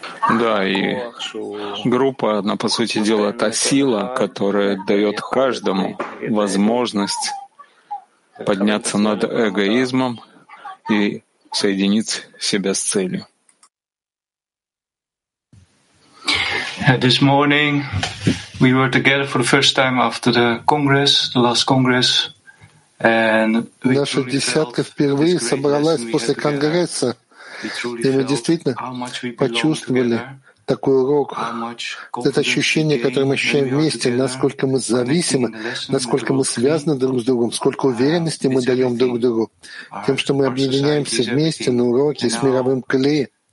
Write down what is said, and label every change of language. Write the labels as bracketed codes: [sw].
[ru] Да, и группа, она, по сути дела, та сила, которая дает каждому возможность подняться над эгоизмом и соединить себя с целью. [en] This morning we were together for the first time after the congress, the last congress. [ru] Наша десятка впервые собралась после конгресса, и мы действительно почувствовали такой урок, это ощущение, которое мы ощущаем вместе, насколько мы зависимы, насколько мы связаны друг с другом, сколько уверенности мы даем друг другу, тем, что мы объединяемся вместе на уроке с мировым кли.